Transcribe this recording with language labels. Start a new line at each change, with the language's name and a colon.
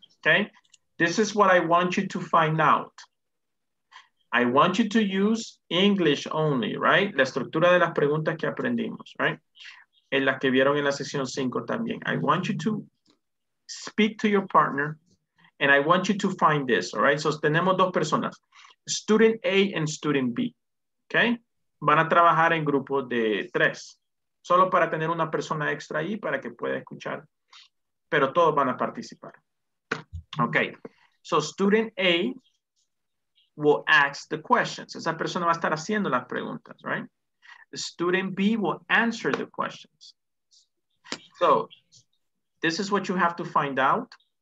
English: Okay, this is what I want you to find out. I want you to use English only, right?
Spanish: La estructura de las preguntas que aprendimos, right? En las que vieron en la sesión 5 también.
English: I want you to speak to your partner and I want you to find this, all right? So
Spanish: tenemos dos personas,
English: student A and student B, okay?
Spanish: Van a trabajar en grupos de tres, solo para tener una persona extra ahí para que pueda escuchar, pero todos van a participar.
English: Okay, so student A will ask the questions.
Spanish: Esa persona va a estar haciendo las preguntas, right?
English: Student B will answer the questions. So, this is what you have to find out.